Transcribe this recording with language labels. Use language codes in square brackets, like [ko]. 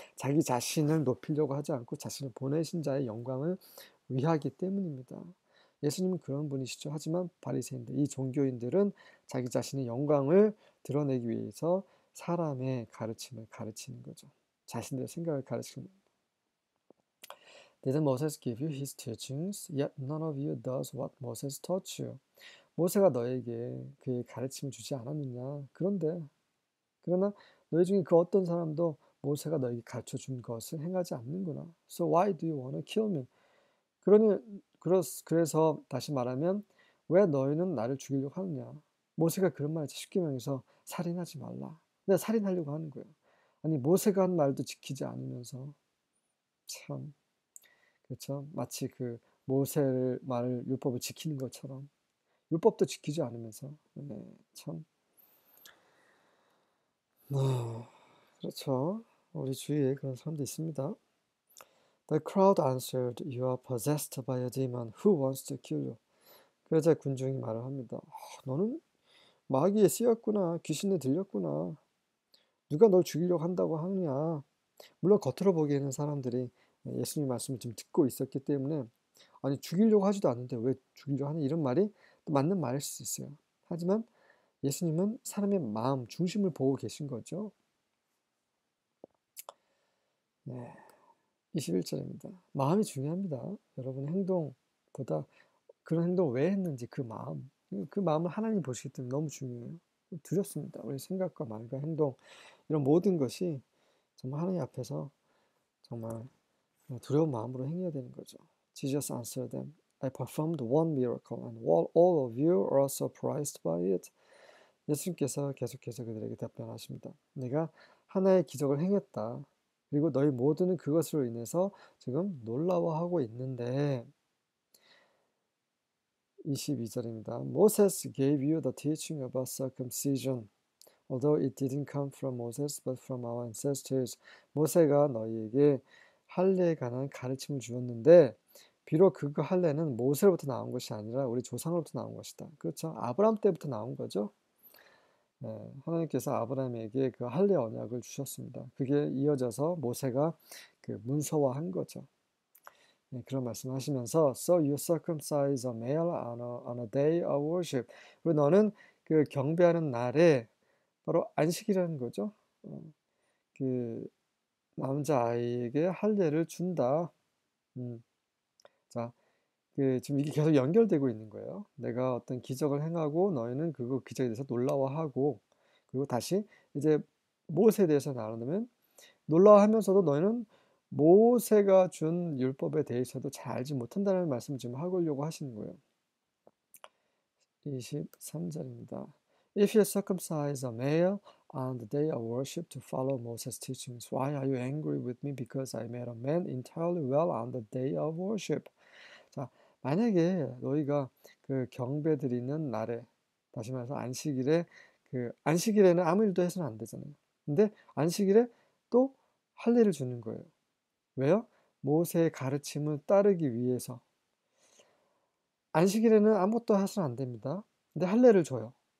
[ko] 자기 자신을 높이려고 하지 않고 자신을 보내신 자의 영광을 위하기 때문입니다. 예수님은 그런 분이시죠. 하지만 바리새인들, 이 종교인들은 자기 자신의 영광을 드러내기 위해서 사람의 가르침을 가르치는 거죠. 자신들의 생각을 가르치는 거죠. [en] Did Moses give you his teachings? Yet none of you does what Moses taught you. [ko] 모세가 너에게 그의 가르침을 주지 않았느냐? 그런데, 그러나 너희 중에 그 어떤 사람도 모세가 너에게 가르쳐 준 것을 행하지 않는구나. [en] So why do you want to kill me? [ko] 그래서 다시 말하면, 왜 너희는 나를 죽이려고 하느냐? 모세가 그런 말을 쉽게 명해서 살인하지 말라. 내가 살인하려고 하는 거야. 아니, 모세가 한 말도 지키지 않으면서. 참. 그렇죠? 마치 그 모세의 말을 율법을 지키는 것처럼 율법도 지키지 않으면서. 네, 참. 그렇죠. 우리 주위에 그런 사람도 있습니다. [en] The crowd answered, "You are possessed by a demon. Who wants to kill you?" [ko] 그러자 군중이 말을 합니다. 너는 마귀에 쓰였구나. 귀신에 들렸구나. 누가 널 죽이려고 한다고 하느냐? 물론 겉으로 보기에는 사람들이 예수님 말씀을 지금 듣고 있었기 때문에, 아니, 죽이려고 하지도 않는데 왜 죽이려고 하니? 이런 말이 또 맞는 말일 수 있어요. 하지만 예수님은 사람의 마음, 중심을 보고 계신 거죠. 네. 21절입니다. 마음이 중요합니다. 여러분의 행동보다 그런 행동을 왜 했는지 그 마음. 그 마음을 하나님이 보시기 때문에 너무 중요해요. 두렵습니다. 우리 생각과 말과 행동, 이런 모든 것이 정말 하나님 앞에서 정말 두려운 마음으로 행해야 되는 거죠. [en] Jesus answered them, "I performed one miracle, and while all of you are surprised by it." [ko] 예수님께서 계속해서 그들에게 답변하십니다. 내가 하나의 기적을 행했다. 그리고 너희 모두는 그것으로 인해서 지금 놀라워하고 있는데, 22절입니다. [en] Moses gave you the teaching about circumcision, although it didn't come from Moses, but from our ancestors. [ko] 모세가 너희에게 할례에 관한 가르침을 주었는데, 비록 그 할례는 모세로부터 나온 것이 아니라 우리 조상으로부터 나온 것이다. 그렇죠? 아브라함 때부터 나온 거죠. 네, 하나님께서 아브라함에게 그 할례 언약을 주셨습니다. 그게 이어져서 모세가 그 문서화한 거죠. 네, 그런 말씀하시면서, [en] So you circumcise a male on a day of worship. [ko] 그리고 너는 그 경배하는 날에 바로 안식이라는 거죠. 그 남자 아이에게 할례를 준다. 자, 지금 이게 계속 연결되고 있는 거예요. 내가 어떤 기적을 행하고 너희는 그 기적에 대해서 놀라워하고, 그리고 다시 이제 모세에 대해서 나누면, 놀라워하면서도 너희는 모세가 준 율법에 대해서도 잘 알지 못한다는 말씀을 지금 하려고 하시는 거예요. 23절입니다. [en] If you circumcise a male on the day of worship to follow Moses' teachings, why are you angry with me because I made a man entirely well on the day of worship? [ko] 자, 만약에 너희가 그 경배 드리는 날에, 다시 말해서 안식일에, 그 안식일에는 아무 일도 해서는 안 되잖아요. 근데 안식일에 또 할례를 주는 거예요. 왜요? 모세의 가르침을 따르기 위해서. 안식일에는 아무것도 해서는 안 됩니다. 근데 할례를 줘요.